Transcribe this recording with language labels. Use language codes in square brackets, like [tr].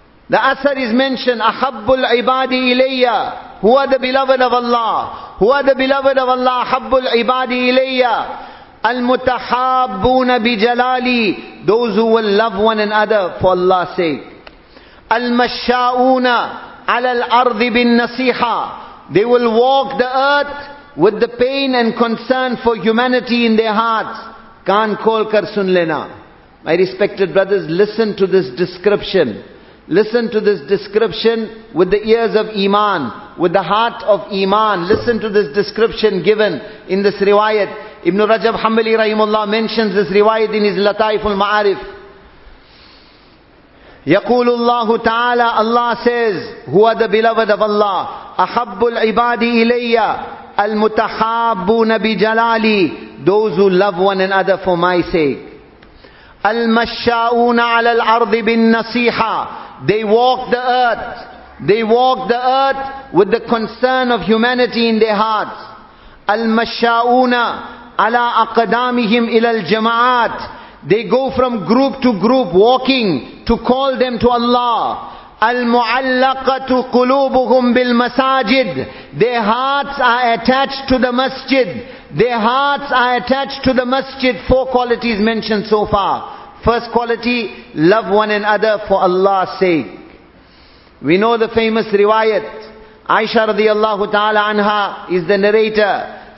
[en] The asar is mentioned, [ar] أَحَبُّ الْعِبَادِ إِلَيَّ [en] Who are the beloved of Allah? Who are the beloved of Allah? [ar] أَحَبُّ الْعِبَادِ إِلَيَّ المتحابون بجلالي [en] Those who will love one another for Allah's sake. [ar] المشاؤون على الأرض بالنصيحة [en] They will walk the earth with the pain and concern for humanity in their hearts. [ur] Kaan khol kar sun lena. [en] My respected brothers, listen to this description. Listen to this description with the ears of Iman, with the heart of Iman. Listen to this description given in this riwayat. Ibn Rajab Hanbali Rahimullah mentions this riwayat in his Lataiful Ma'arif. [ar] يَقُولُ اللَّهُ تَعَالَى [en] Allah says, who are the beloved of Allah? [ar] أَحَبُّ الْعِبَادِ إِلَيَّ الْمُتَحَابُّونَ بِجَلَالِي [en] Those who love one another for my sake. [ar] الْمَشَّاؤُونَ عَلَى الْأَرْضِ بِالنَّصِيحَةِ [en] They walk the earth. They walk the earth with the concern of humanity in their hearts. [ar] الْمَشَّاؤُونَ على أقدامهم إلى الجماعات [en] They go from group to group walking to call them to Allah. [ar] المعلقة قلوبهم بالمساجد [en] Their hearts are attached to the masjid. Their hearts are attached to the masjid. Four qualities mentioned so far. First quality, love one another for Allah's sake. We know the famous riwayat. Aisha radiallahu ta'ala anha is the narrator.